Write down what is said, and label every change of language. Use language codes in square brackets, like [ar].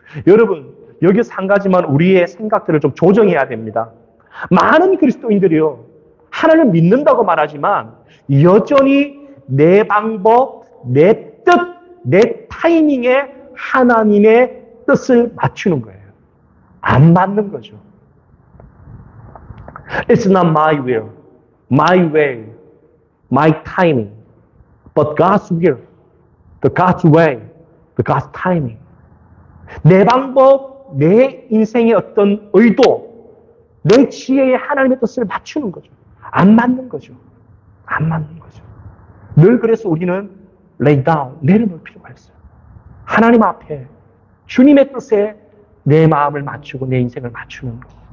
[ko] 여러분 여기서 한 가지만 우리의 생각들을 좀 조정해야 됩니다. 많은 그리스도인들이요, 하나님을 믿는다고 말하지만 여전히 내 방법, 내 뜻, 내 타이밍에 하나님의 뜻을 맞추는 거예요. 안 맞는 거죠. [en] It's not my will, my way, my timing, but God's will, the God's way, the God's timing. [ko] 내 방법, 내 인생의 어떤 의도, 내 지혜에 하나님의 뜻을 맞추는 거죠. 안 맞는 거죠. 안 맞는 거죠. 늘 그래서 우리는 [en] lay down, [ko] 내려놓을 필요가 있어요. 하나님 앞에 주님의 뜻에 내 마음을 맞추고 내 인생을 맞추는 것.